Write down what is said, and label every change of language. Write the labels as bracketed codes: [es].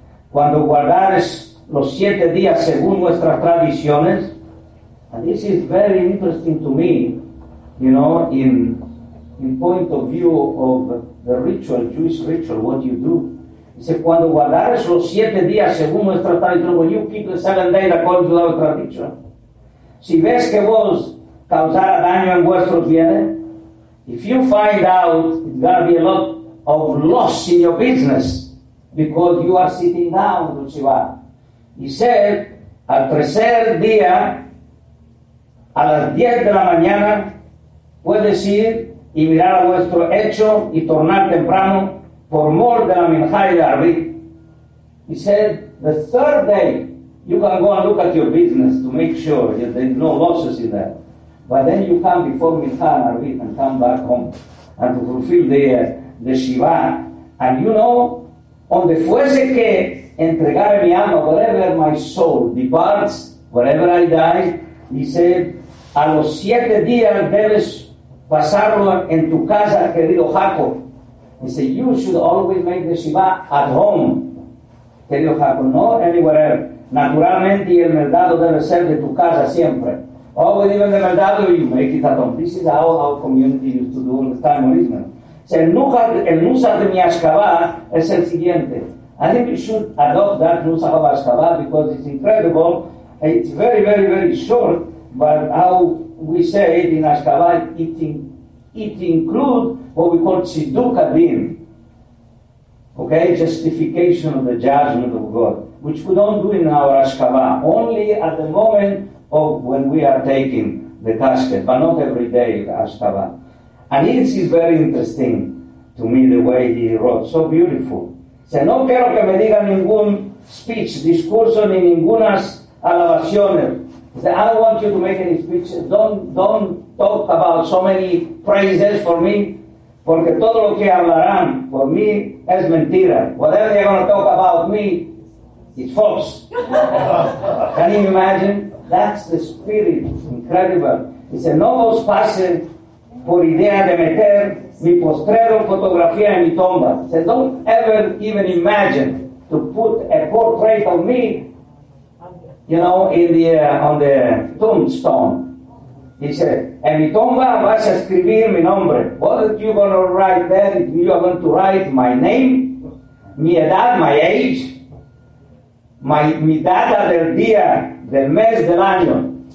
[lad] Cuando guardares los siete días según nuestras tradiciones. [en] And this is very interesting to me, you know, in point of view of the ritual, Jewish ritual, what you do. He said, [lad] cuando guardares los siete días según nuestra tradición, [en] when you keep the 7 days according to our tradition, [lad] si ves que vos causara daño en vuestros bienes, [en] if you find out, it's going to be a lot of loss in your business because you are sitting down, Lucifer. He said, [lad] al tercer día, a las 10 de la mañana puedes ir y mirar a vuestro hecho y tornar temprano por mor de la minja y de arbit. [en] He said, the third day, you can go and look at your business to make sure that there's no losses in that. But then you come before minja and arbit and come back home and to fulfill the Shiva. And you know, [lad] onde fuese que entregare mi alma, [en] wherever my soul departs, wherever I die, he said, [lad] a los siete días debes pasarlo en tu casa, querido Jacob. [en] He said, you should always make the Shiva at home, [lad] querido Jacob, [en] not anywhere else. [lad] Naturalmente, el mercado debe ser de tu casa siempre. [en] Always even the mercado, you make it at home. This is how our community used to do all the time in Israel. So, [lad] el Nusa de mi Ashkaba es el siguiente. [en] I think you should adopt that Nusa of Ashkaba because it's incredible. It's very, very, very short. But how we say it in Ashkabat, it includes what we call Tziduk Adin, okay, justification of the judgment of God, which we don't do in our Ashkabat, only at the moment of when we are taking the casket, but not every day in Ashkabat. And this is very interesting to me, the way he wrote, so beautiful. [lad] Se no quiero que me diga ningún speech, discurso, ni ningunas alabaciones. [en] He said, I don't want you to make any speeches. Don't talk about so many praises for me, [lad] porque todo lo que hablarán [en] for me [lad] es mentira. [en] Whatever they're going to talk about me, it's false. Can you imagine? That's the spirit. Incredible. He said, [lad] no vos pase por idea de meter mi postrero fotografía en mi tumba. [en] He said, don't ever even imagine to put a portrait of me, you know, in the on the tombstone. He said, [lad] en mi tumba vas a escribir mi nombre. [en] What are you going to write there? You are going to write my name, [lad] mi edad, [en] my age, [lad] mi data del día, del mes, del año.